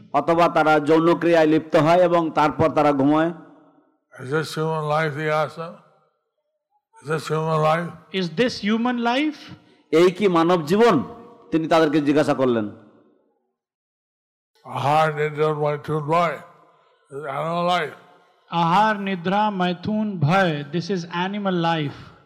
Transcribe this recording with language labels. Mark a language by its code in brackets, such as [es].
[bn] অথবা তারা যৌনক্রিয়ায় লিপ্ত হয় এবং তারপর তারা ঘুমায়. [en] Is this human life, he asked them? Is this human life? Is this human life? [bn] এই কি মানব জীবন? তিনি তাদেরকে জিজ্ঞাসা করলেন. [sa] আহার নিদ্রা মৈথুন ভয়, [en] is animal life? [sa] আহার নিদ্রা মৈথুন ভয়, [en] this is animal life.